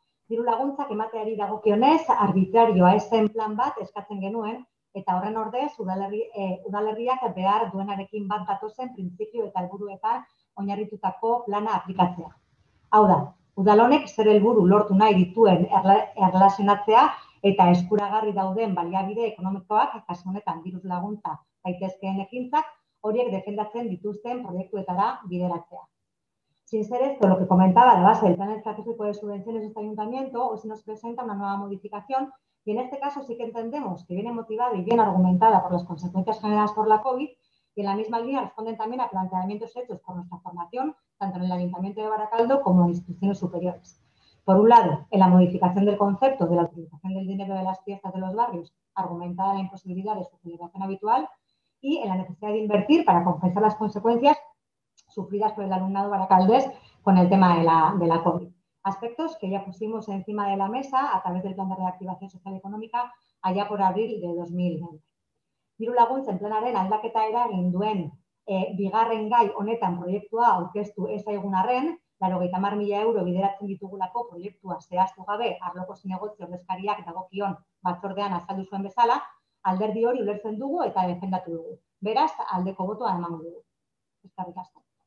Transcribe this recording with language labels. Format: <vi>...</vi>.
<eu>Diru laguntzak emateari dagokionez, arbitrarioa ez zen plan bat eskatzen genuen, eta horren ordez udalerriak behar duenarekin bat datozen printzipio eta helburuetan oinarritutako plana aplikatzea. Hau da, udalonek zer helburu lortu nahi dituen erlazionatzea eta eskuragarri dauden baliabide ekonomikoak eta honetan diru laguntza daitezkeen ekintzak horiek defendatzen dituzten proiektuetara bideratzea.</eu> <es>Sin ser esto, lo que comentaba la base del plan estratégico de subvenciones de este ayuntamiento, hoy se nos presenta una nueva modificación y en este caso sí que entendemos que viene motivada y bien argumentada por las consecuencias generadas por la COVID y en la misma línea responden también a planteamientos hechos por nuestra formación, tanto en el Ayuntamiento de Baracaldo como en instituciones superiores. Por un lado, en la modificación del concepto de la utilización del dinero de las fiestas de los barrios, argumentada la imposibilidad de su celebración habitual, y en la necesidad de invertir para compensar las consecuencias sufridas por el alumnado baracaldés con el tema de la COVID. Aspectos que ya pusimos encima de la mesa a través del plan de reactivación social y económica allá por abril de 2020.</es> <eu>Diru laguntzen planaren aldaketa eragin duen bigarren gai honetan proiektua aurkeztu ez zaigun arren, 80.000 euro bideratzen ditugulako proiektua zehaztu gabe arloko zinegotzi ordezkariak dagokion batzordean azaldu zuen bezala, alderdi hori ulertzen dugu eta defendatu dugu. Beraz, aldeko botoa emango dugu. Eskerrik asko.</eu>